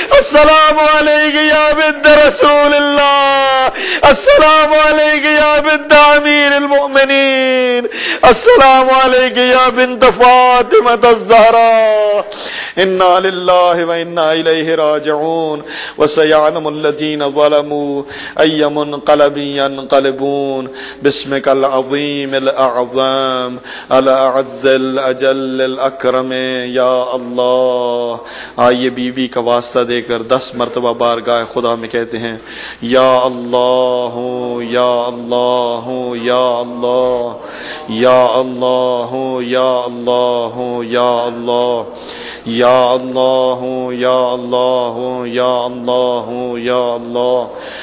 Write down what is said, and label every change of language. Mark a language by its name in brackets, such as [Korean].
[Arabic] السلام علیکم یا بنت رسول اللہ، السلام علیکم یا بنت امیر المؤمنین، السلام علیکم یا بنت فاطمۃ الزہرا. انا للہ و انا الیہ راجعون. وسیعلم الذین ظلموا ای منقلب ینقلبون. بسمک العظیم الاعظم الاعز الاجل الاکرم. [Urdu] یا اللہ، آئیے بی بی کا واسطہ دے کر 10 مرتبہ بارگاہ خدا میں کہتے ہیں، یا اللہ، یا اللہ، یا اللہ، یا اللہ، یا اللہ، یا اللہ، یا اللہ، یا اللہ، یا اللہ، یا اللہ.